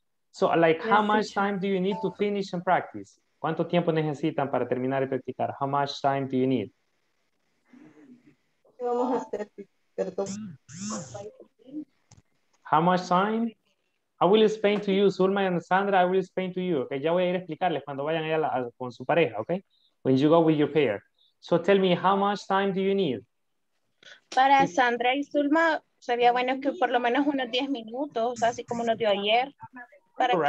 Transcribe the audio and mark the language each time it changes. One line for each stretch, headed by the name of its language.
English: So, like, yes, how much time do you need to finish and practice?
Spanish: ¿Cuánto tiempo necesitan para terminar y practicar?
English: How much time do you need?
Spanish: ¿Qué vamos a hacer?
English: How much time? I will explain to you, Zulma and Sandra, I will explain to you, okay?
Spanish: Ya voy a ir a explicarles cuando vayan allá con su pareja, okay?
English: When you go with your pair. So tell me, how much time do you need?
Spanish: Para Sandra y Zulma, sería bueno que por lo menos unos 10 minutos, así como nos dio ayer, para right.